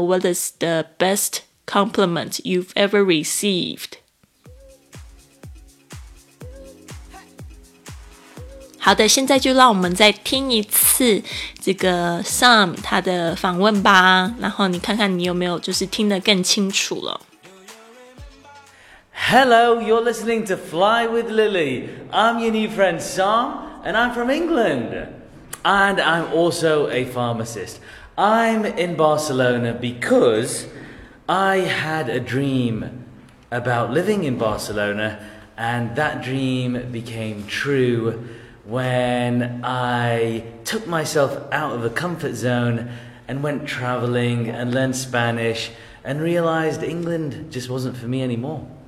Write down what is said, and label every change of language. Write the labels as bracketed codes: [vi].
[en] What is the best compliment you've ever received? [zh] 好的，现在就让我们再听一次这个 Sam 他的访问吧，然后你看看你有没有就是听得更清楚了。 [en] Hello, you're listening to Fly with Lily. I'm your new friend Sam, and I'm from England. And I'm also a pharmacist. I'm in Barcelona because I had a dream about living in Barcelona, and that dream became true when I took myself out of the comfort zone and went traveling and learned Spanish and realized England just wasn't for me anymore.